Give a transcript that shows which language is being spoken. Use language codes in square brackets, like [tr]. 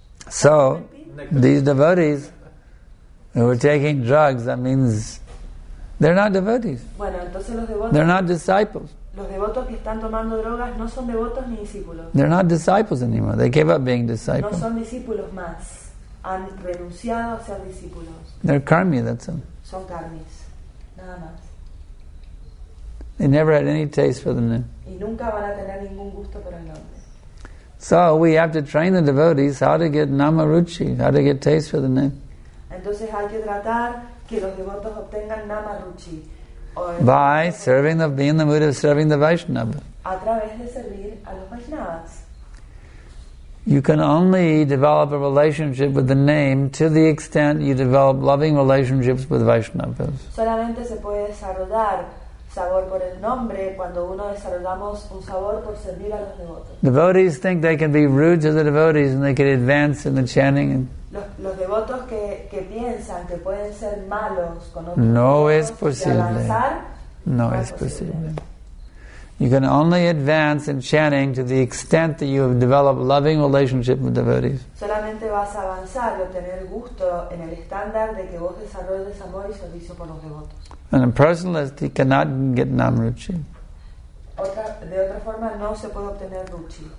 [en] So, these devotees who are taking drugs, that means they're not devotees. [es] Bueno, entonces los devotos, [en] they're not disciples. [es] Los devotos que están tomando drogas no son devotos ni discípulos. [en] They're not disciples anymore. They gave up being disciples. [es] No son discípulos más. Han renunciado a ser discípulos. [en] They're karmi, that's them. [es] Son karmis. Nada más. [en] They never had any taste for the name. [es] Y nunca van a tener ningún gusto por el nombre. [en] So we have to train the devotees how to get namaruchi, how to get taste for the name. [es] Entonces hay que tratar que los devotos obtengan nama ruchi, [en] by serving the, being in the mood of serving the Vaishnava. [es] A través de servir a los Vaishnavas. [en] You can only develop a relationship with the name to the extent you develop loving relationships with Vaishnavas. [es] Solamente se puede desarrollar sabor por el nombre cuando uno desarrollamos un sabor por servir a los devotos. [en] Devotees think they can be rude to the devotees and they can advance in the chanting. [es] Los devotos que piensan que pueden ser malos con otros, no es posible. Y avanzar, no es posible. [en] You can only advance in chanting to the extent that you have developed loving relationship with devotees. [es] Solamente vas a avanzar y obtener gusto en el estándar de que vos desarrolles amor y servicio por los devotos. [en] And a personalist, he cannot get namruchi. [es] De otra forma, no se puede obtener ruchi.